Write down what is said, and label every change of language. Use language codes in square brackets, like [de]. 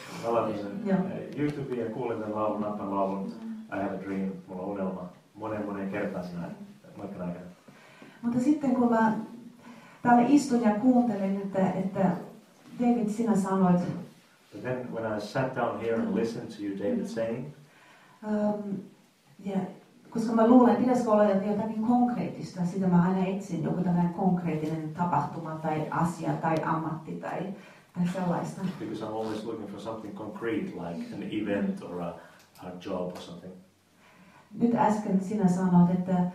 [fi] Mä kuulin tämän laulun, Nappan laulun, I Have a Dream, mulla on unelma, moneen kertaan sinä matkan aikana. Mutta sitten kun mä täällä istun ja kuuntelin, että David, sinä sanoit... [en] But then when I sat down here and listened to you, David, saying... [fi] Koska mä luulen, että pitäisikö olla jotakin konkreettista, sitä mä aina etsin, joku tämmöinen konkreettinen tapahtuma tai asia tai ammatti tai... [en] Because I'm always looking for something concrete, like an event or a job or something. [fi] Nyt äsken sinä sanoit, että...